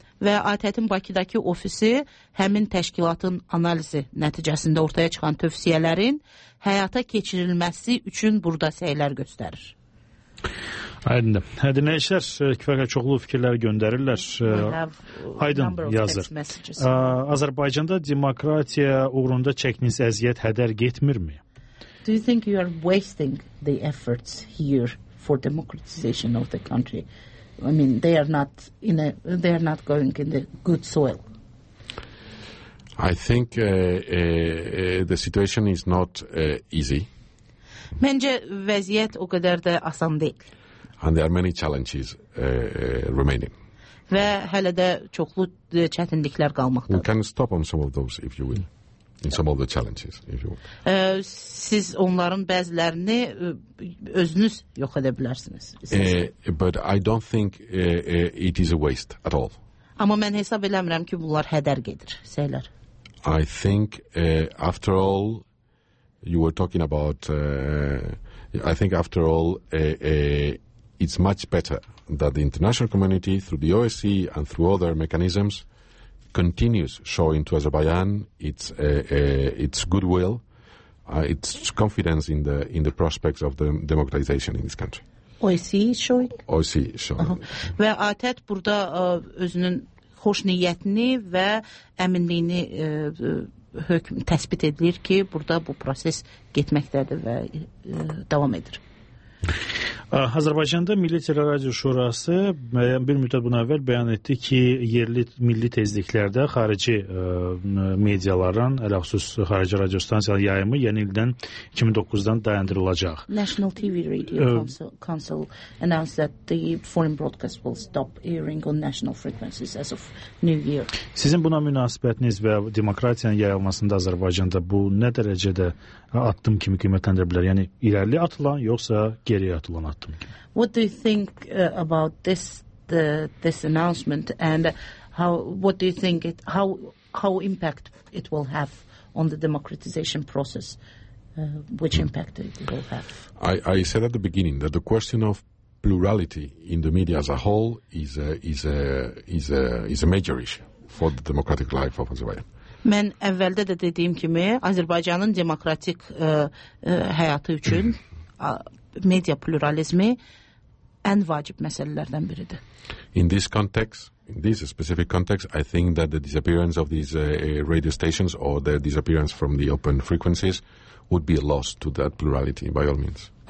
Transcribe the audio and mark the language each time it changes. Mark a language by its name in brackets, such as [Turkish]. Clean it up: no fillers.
[Azerbaijani] Və ATƏT-in Bakıdakı ofisi həmin təşkilatın analizi nəticəsində ortaya çıxan tövsiyələrin həyata keçirilməsi üçün burada səylər göstərir. Aydın da. Dinləyicilər kifayət çoxlu fikirlər göndərirlər. Aydın yazır. Azərbaycanda demokratiya uğrunda çəkiniz əziyyət hədər getmirmi? [English] Do you think you are wasting the efforts here for democratization of the country? I mean, they are not going in the good soil. I think the situation is not easy. [Azerbaijani] Məncə vəziyyət o qədər də asan deyil. [English] And there are many challenges remaining. [Azerbaijani] Və hələ də çoxlu çətinliklər qalmaqdadır. [English] We can stop on some of those if you will. In some of the challenges if you will. [Azerbaijani] Siz onların bəzilərini özünüz yox edə bilərsiniz. [English] But I don't think it is a waste at all. [Azerbaijani] Amma mən hesab eləmirəm ki, bunlar hədər gedir, səylər. [English] I think after all you were talking about I think after all it's much better that the international community through the OSCE and through other mechanisms continues showing to Azerbaijan its goodwill, its confidence in the prospects of the democratization in this country. OSCE showing. [Azerbaijani] Və ATƏT burada özünün xoş niyyətini və əminliyini hökm təsbit edir ki, burada bu proses getməkdədir və davam edir. Azərbaycanda Milli Tele Radio Şurası bir müddət bundan əvvəl bəyan etdi ki, yerli milli tezliklərdə xarici medyaların, ələ xüsus xarici radio stansiyaların yayımı yeni ildən 2009-dan dayandırılacaq. [English] National TV Radio Council announced that the foreign broadcast will stop airing on national frequencies as of new year. [Azerbaijani] Sizin buna münasibətiniz və demokratiyanın yayılmasında Azərbaycanda bu nə dərəcədə addım kimi qiymətləndirə bilər? Yəni, irəli atılan yoxsa geri atılan? [English] What do you think about this this announcement, and how impact it will have on the democratization process? Which impact it will have? I said at the beginning that the question of plurality in the media as a whole is a major issue for the democratic life of Azerbaijan. [Azerbaijani] Mən əvvəldə də dediyim kimi, Azərbaycanın demokratik həyatı üçün media pluralizmi ən vacib məsələlərdən biridir. [English] In this context, in this specific context, I think that the disappearance of these radio stations or the disappearance from the open frequencies would be a loss to that plurality by all means.